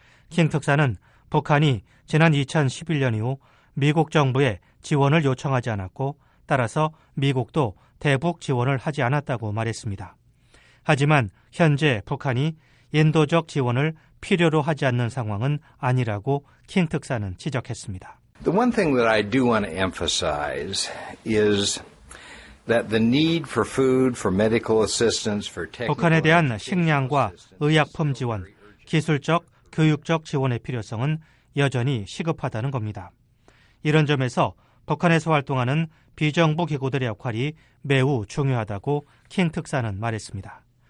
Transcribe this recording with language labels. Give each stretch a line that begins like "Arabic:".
Korean: 킹 특사는 북한이 지난 2011년 이후 미국 정부에 지원을 요청하지 않았고 따라서 미국도 대북 지원을 하지 않았다고 말했습니다. 하지만 현재 북한이 인도적 지원을 필요로 하지 않는 상황은 아니라고 킹 특사는 지적했습니다.
English: The one thing that I do want to emphasize is that the need for food, for medical assistance, for technical
Korean: 북한에 대한 식량과 의약품 지원, 기술적, 교육적 지원의 필요성은 여전히 시급하다는 겁니다. 이런 점에서 북한에서 활동하는 비정부 기구들의 역할이 매우 중요하다고 킹 특사는 말했습니다.